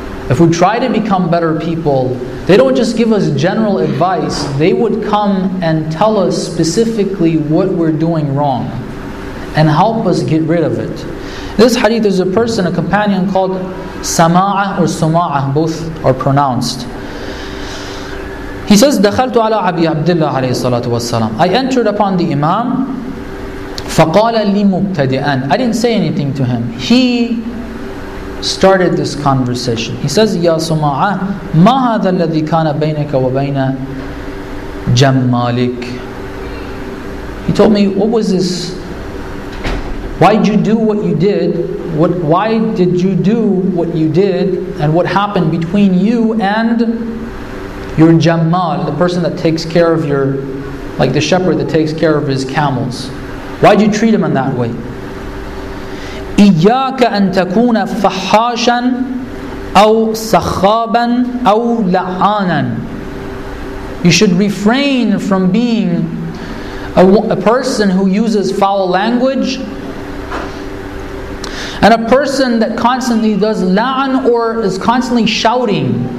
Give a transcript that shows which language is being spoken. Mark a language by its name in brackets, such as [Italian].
[English] If we try to become better people, they don't just give us general advice. They would come and tell us specifically what we're doing wrong and help us get rid of it. In this hadith, there's a person, a companion called Sama'a or Suma'a, both are pronounced. He says, [Arabic] دَخَلْتُ عَلَىٰ عَبِي عَبْدِ اللَّهِ عَلَيْهِ الصَّلَاةُ وَالسَّلَامُ [English] I entered upon the Imam. [Arabic] فَقَالَ لِمُبْتَدِئًا [English] I didn't say anything to him. He started this conversation. He says, [Arabic] يَا سُمَعَ مَا هَذَا الَّذِي كَانَ بَيْنَكَ وَبَيْنَ جَمَّالِكَ [English] He told me, what was this? Why did you do what you did? Why did you do what you did? And what happened between you and your Jamal, the person that takes care of your, like the shepherd that takes care of his camels? Why did you treat him in that way? [Arabic] إِيَّاكَ أَن تَكُونَ فَحَّاشًا أَوْ سَخَّابًا أَوْ لَعَانًا [English] You should refrain from being a person who uses foul language and a person that constantly does la'an or is constantly shouting.